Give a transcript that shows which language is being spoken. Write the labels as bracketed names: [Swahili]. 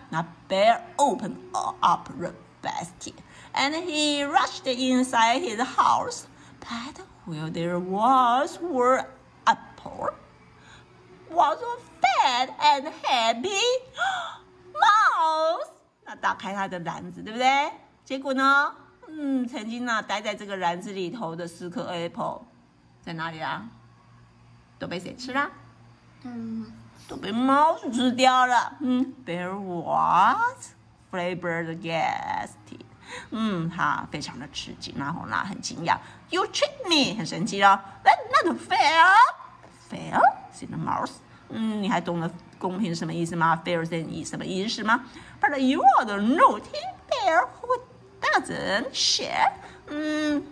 [English] 那 bear opened up the basket, and he rushed inside his house. But where there was were apple, was a fat and happy mouse. [Chinese] 那打开他的篮子，对不对？结果呢？曾经呢待在这个篮子里头的四颗 apple 在哪里啊？都被谁吃了？都被猫吃掉了。 [English] There was. Flabbergasted. [Chinese] 他非常的吃惊，然后呢很惊讶。 [English] You trick me, [Chinese] 很神奇哦。 [English] That's not fair. Fair? Said the mouse. [Chinese] 你还懂得公平什么意思吗？ Fair 是什么意思吗？ [English] But you are the naughty bear who doesn't share.